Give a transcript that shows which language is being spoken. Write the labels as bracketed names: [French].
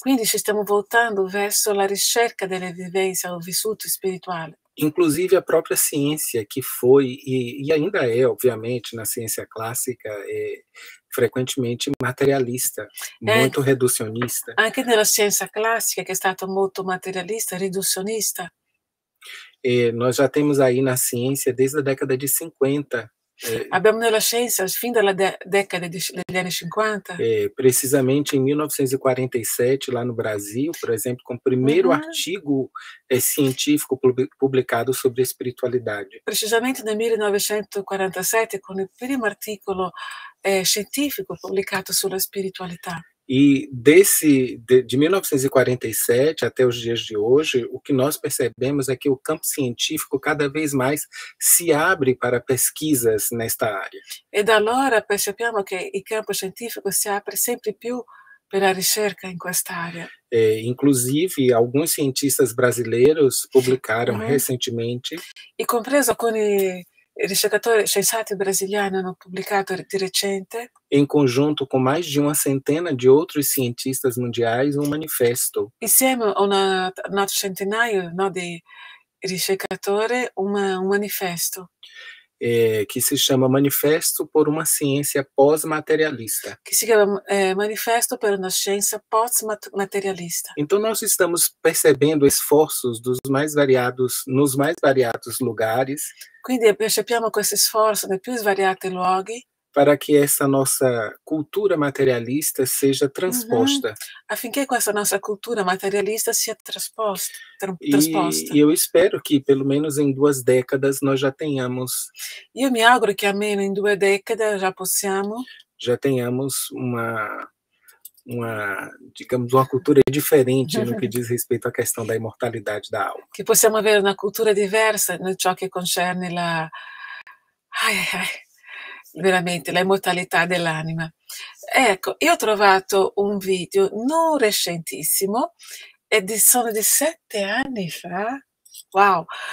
[Italian] Quindi ci stiamo voltando verso la ricerca delle vivenze, il vissuto spirituale. [Portuguese] Inclusive a própria ciência, que foi e ainda é, obviamente, na ciência clássica, frequentemente materialista, muito reducionista. [Italian] Anche nella scienza classica, che è stata molto materialista, riduzionista. [Portuguese] E nós já temos aí na ciência desde a década de 50. [Italian] Abbiamo nella scienza fin dalla decade degli anni 50. [Portuguese] Precisamente em 1947, lá no Brasil, por exemplo, com o primeiro artigo científico publicado sobre espiritualidade. [Italian] Precisamente nel 1947, con il primo articolo scientifico pubblicato sulla spiritualità. [Portuguese] E de 1947 até os dias de hoje, o que nós percebemos é que o campo científico cada vez mais se abre para pesquisas nesta área. [Italian] E da allora percepiamo che il campo scientifico si apre sempre più per la ricerca in quest'area. [Portuguese] Inclusive, alguns cientistas brasileiros publicaram recentemente. [Italian] E compreso con i ricercatori scienziati brasiliani hanno pubblicato di recente [Portuguese] Em conjunto com mais de uma centena de outros cientistas mundiais, um manifesto. [Italian] insieme a un altro centinaio, no, di ricercatori un manifesto [Portuguese] Que se chama Manifesto por uma Ciência Pós-Materialista. [Italian] che si chiama Manifesto per una scienza post-materialista. [Portuguese] Então, nós estamos percebendo esforços nos mais variados lugares [Italian] Quindi percepiamo questo sforzo nei più svariati luoghi [Portuguese] para que essa nossa cultura materialista seja transposta. [Italian] affinché questa nostra cultura materialista sia [Portuguese] E eu espero que, pelo menos em 2 décadas, nós já tenhamos. [Italian] Io mi auguro che almeno in 2 decadi già possiamo. [Portuguese] Já tenhamos digamos, uma cultura diferente no que diz respeito à questão da imortalidade da alma. [Italian] Che possiamo avere una cultura diversa in ciò che concerne la veramente l'immortalità dell'anima. Ecco, io ho trovato un video non recentissimo e sono di 7 anni fa. Wow!